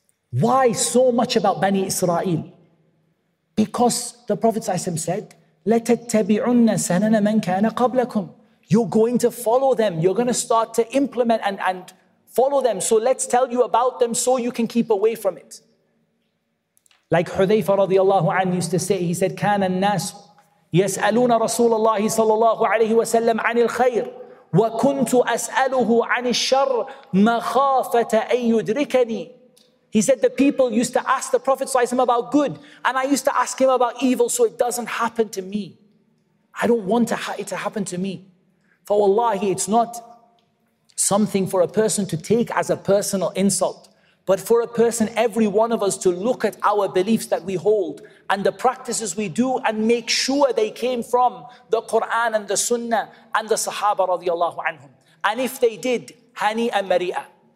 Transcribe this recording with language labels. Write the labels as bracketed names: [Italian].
[English] Why so much about Bani Israel? Because the Prophet ﷺ said, [Arabic] لَتَتَّبِعُنَّ سَنَنَ مَنْ كَانَ قَبْلَكُمْ. [English] You're going to follow them. You're going to start to implement and follow them. So let's tell you about them so you can keep away from it. Like Hudhayfa radiallahu anhu used to say, he said, [Arabic] كان الناس يسألون رسول الله صلى الله عليه وسلم عن الخير وكنت أسأله عن الشر مخافة أن يدركني. [English] He said, the people used to ask the Prophet [Arabic] صلى الله عليه وسلم [English] about good, and I used to ask him about evil so it doesn't happen to me. I don't want it to happen to me. فوالله, it's not something for a person to take as a personal insult. But for a person, every one of us, to look at our beliefs that we hold and the practices we do and make sure they came from the Quran and the Sunnah and the Sahaba radiallahu anhum. And if they did, Hani and Maria.